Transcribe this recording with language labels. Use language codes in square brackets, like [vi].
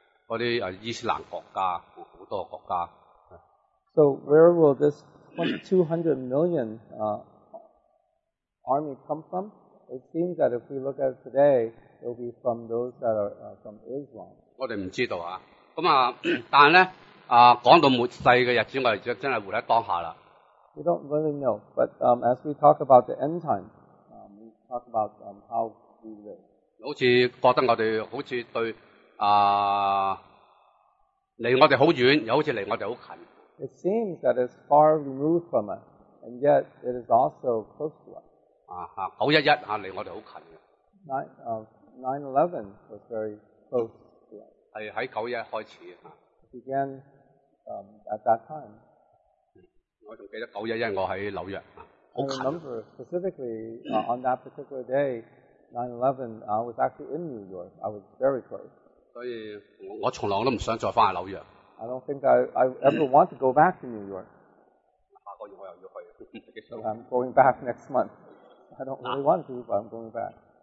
[yue] 嗰啲伊斯兰国家，好多国家。 [en] So where will this 200 million army come from? It seems that if we look at it today, it will be from those that are from Islam. [yue] 我哋唔知道啊。咁啊，但系咧，讲到末世嘅日子，我哋就真系活喺当下啦。 [en] We don't really know, but as we talk about the end time, we talk about how we live. [yue] 好似觉得我哋好似对离我哋好远，又好似离我哋好近。 [en] It seems that it's far removed from us, and yet it is also close to us. [yue] 911离我哋好近嘅。 [en] 911 was very close to us。 [yue] 系喺91开始啊。 [en] Began at that time。 [yue] 我仲记得911，我喺纽约啊，好近。 [en] I remember specifically on that particular day, 911. I was actually in New York. I was very close。 [yue] 所以我从来都唔想再翻去纽约。 [en] I don't think I ever want to go back to New York。 [yue] 下个月我又要去。 [en] So I'm going back next month. I don't really want to, but I'm going back.